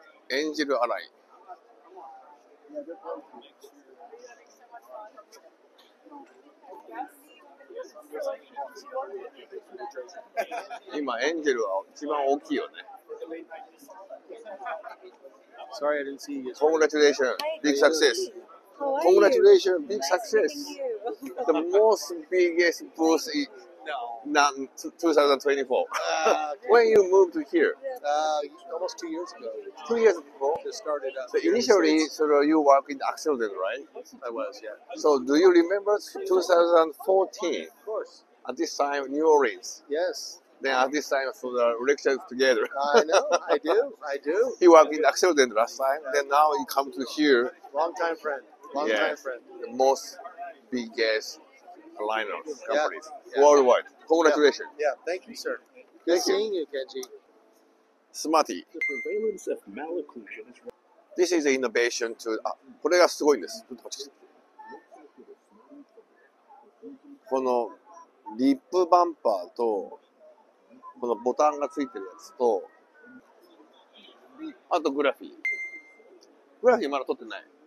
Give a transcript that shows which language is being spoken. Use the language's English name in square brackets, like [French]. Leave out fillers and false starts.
[Japanese] エンジェルアライ。今エンジェルは一番大きいよね。 [English] Sorry, I didn't see you. Congratulations, big success. Congratulations, big success. The most biggest boost in 2024. When you moved here? Almost 2 years ago. 2 years ago? Just started up. So initially, so you work in Accelerate, right? I was, yeah. So do you remember 2014? Of course. At this time, New Orleans. Yes. Then at this time, so the lectures together. I know, I do. He worked in Accelerate last time, yeah. Then now he come to here. Long time friend. The most biggest aligner companies, yeah. Worldwide. Yeah. Congratulations. Yeah, thank you, sir. Good seeing you, Kenji. Smarty. The prevalence of malocclusion is right. This is innovation to, [Japanese] これがすごいんです。このリップバンパーと、このボタンがついてるやつと、あとグラフィー。グラフィーまだ撮ってない。